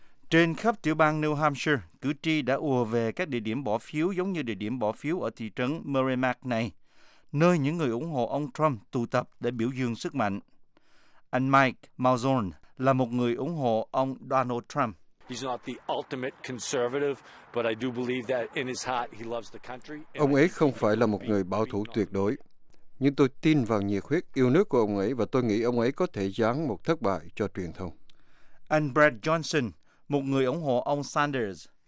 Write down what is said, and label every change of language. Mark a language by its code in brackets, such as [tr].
[vi] Trên khắp tiểu bang New Hampshire, cử tri đã ùa về các địa điểm bỏ phiếu giống như địa điểm bỏ phiếu ở thị trấn Merrimack này, nơi những người ủng hộ ông Trump tụ tập để biểu dương sức mạnh. Anh Mike Malzorn là một người ủng hộ ông Donald Trump. [en] He's not the ultimate conservative, but I do believe that in his heart he loves the country. [vi] Ông ấy không phải là một người bảo thủ tuyệt đối. Nhưng tôi tin vào nhiệt huyết yêu nước của ông ấy và tôi nghĩ ông ấy có thể giáng một thất bại cho truyền thông. Anh Brad Johnson, một người ủng hộ ông Sanders.